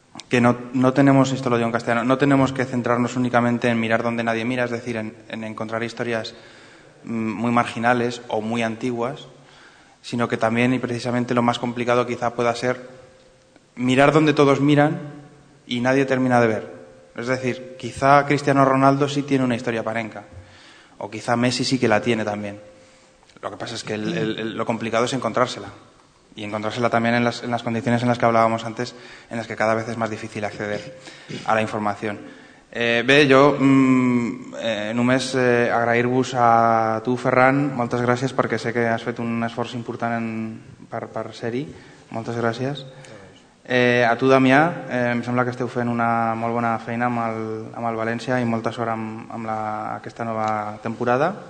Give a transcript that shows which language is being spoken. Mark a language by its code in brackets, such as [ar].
[es] que no tenemos histologia en castellano, no tenemos que centrarnos únicamente en mirar donde nadie mira, es decir, en encontrar historias muy marginales o muy antiguas, sino que también y precisamente lo más complicado quizá pueda ser mirar donde todos miran y nadie termina de ver. Es decir, quizá Cristiano Ronaldo sí tiene una historia Panenka, o quizá Messi sí que la tiene también. Lo que pasa es que lo complicado es encontrársela, y encontrársela también en las condiciones en las que hablábamos antes, en las que cada vez es más difícil acceder a la información. [ca] Bé, jo només agrair-vos a tu, Ferran, moltes gràcies, perquè sé que has fet un esforç important per ser-hi. Moltes gràcies. A tu, Damià, em sembla que esteu fent una molt bona feina amb el València i molta sort amb aquesta nova temporada.